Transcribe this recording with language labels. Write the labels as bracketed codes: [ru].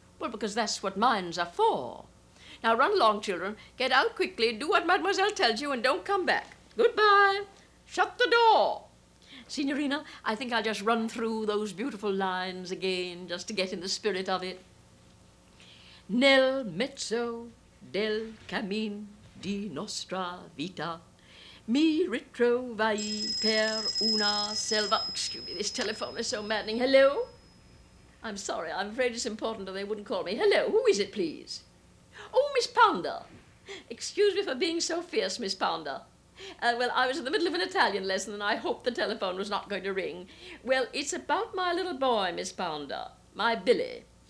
[en] Well, because that's what minds are for. Now run along, children. Get out quickly, do what Mademoiselle tells you, and don't come back. Goodbye. Shut the door. Signorina, I think I'll just run through those beautiful lines again, just to get in the spirit of it. [it] Nel mezzo del cammin di nostra vita mi ritrovai per una selva. [en] Excuse me, this telephone is so maddening. Hello? I'm sorry, I'm afraid it's important or they wouldn't call me. Hello, who is it, please? Oh, Miss Pounder. Excuse me for being so fierce, Miss Pounder. Well, I was in the middle of an Italian lesson and I hoped the telephone was not going to ring. Well, it's about my little boy, Miss Pounder, my Billy.